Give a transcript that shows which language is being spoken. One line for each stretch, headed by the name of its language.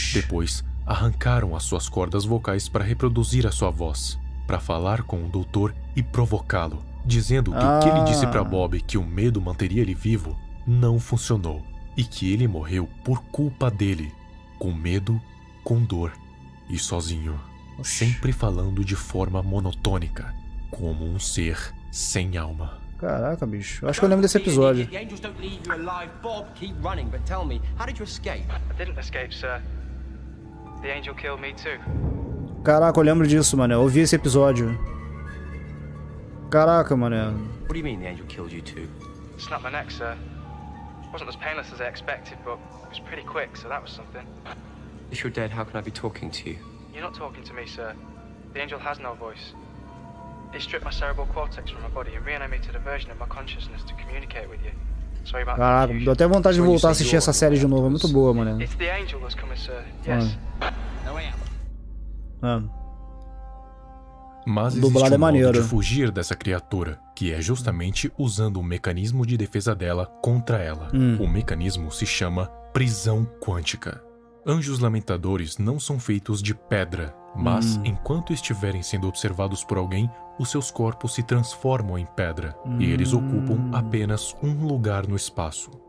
Portuguese: Depois, arrancaram as suas cordas vocais para reproduzir a sua voz, para falar com o doutor e provocá-lo, dizendo que o que ele disse para Bob que o medo manteria ele vivo não funcionou e que ele morreu por culpa dele, com medo, com dor. E sozinho, sempre falando de forma monotônica, como um ser sem alma. Caraca, bicho. Acho que eu lembro desse episódio.
English: The angels don't leave you alive, Bob. Keep running, but tell me, how did you escape? I didn't escape, sir. The angel killed me too.
Portuguese: Caraca, eu lembro disso, mano. Eu ouvi esse episódio. Caraca, mano.
English: What do you mean the angel killed you too? Snapped my neck, sir. Wasn't as painless as I expected, but it was pretty quick, so that was something. If you're dead, how can I be talking to you? You're not talking to me, sir. The angel has no voice. They stripped my cerebral cortex from my body and reanimated a version of my consciousness to communicate with you. Sorry about that.
Portuguese: Caraca, deu até vontade de voltar a assistir essa série de novo. É muito boa, mano.
English: It's the angel that's coming, sir. Yes. No way out.
Portuguese: Mas dublado existe um é modo de fugir dessa criatura, que é justamente usando o mecanismo de defesa dela contra ela. O mecanismo se chama prisão quântica. Anjos lamentadores não são feitos de pedra, mas enquanto estiverem sendo observados por alguém, os seus corpos se transformam em pedra e eles ocupam apenas um lugar no espaço.